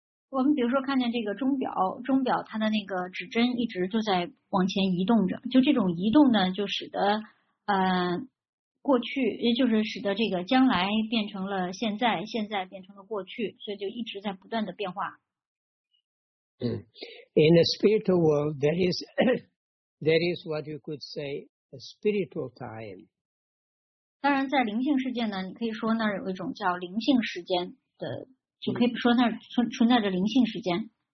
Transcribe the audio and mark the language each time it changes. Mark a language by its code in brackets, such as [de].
[zh] 我们比如说看见这个钟表它的那个指针一直就在往前移动着，就这种移动呢，就使得过去，也就是使得这个将来变成了现在，现在变成了过去，所以就一直在不断的变化。 [en] In the spiritual world, there is what you could say a spiritual time. [zh] 当然，在灵性世界呢，你可以说那儿有一种叫灵性时间的，就可以说那儿存在着灵性时间。